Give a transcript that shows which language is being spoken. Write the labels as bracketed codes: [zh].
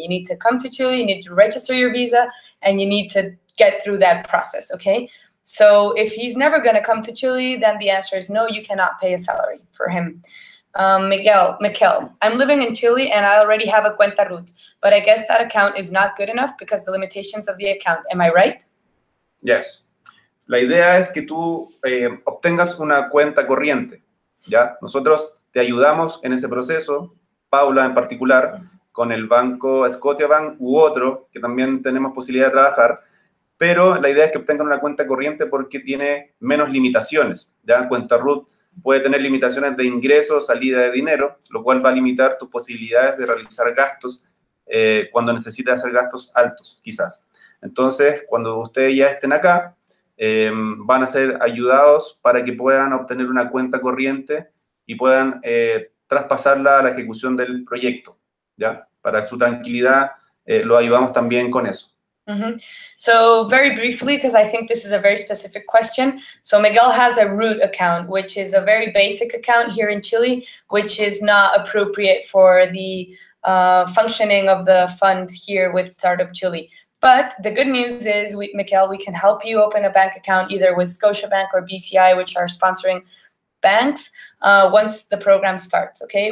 [en] You need to come to Chile, you need to register your visa, and you need to get through that process, okay? So if he's never gonna come to Chile, then the answer is no, you cannot pay a salary for him. Miguel, I'm living in Chile and I already have a cuenta RUT, but I guess that account is not good enough because the limitations of the account, am I right? Yes. [es] La idea es que tú obtengas una cuenta corriente, ¿ya? Nosotros te ayudamos en ese proceso, Paula en particular, con el banco Scotiabank u otro, que también tenemos posibilidad de trabajar, pero la idea es que obtengan una cuenta corriente porque tiene menos limitaciones, ¿ya? Cuenta RUT puede tener limitaciones de ingreso o salida de dinero, lo cual va a limitar tus posibilidades de realizar gastos cuando necesites hacer gastos altos, quizás. Entonces, cuando ustedes ya estén acá, van a ser ayudados para que puedan obtener una cuenta corriente y puedan traspasarla a la ejecución del proyecto, ¿ya? Para su tranquilidad, lo ayudamos también con eso. [en] So very briefly, because I think this is a very specific question. So Miguel has a root account, which is a very basic account here in Chile, which is not appropriate for the functioning of the fund here with Startup Chile. But the good news is, Miguel, we can help you open a bank account either with Scotiabank or BCI, which are sponsoring banks, once the program starts, okay?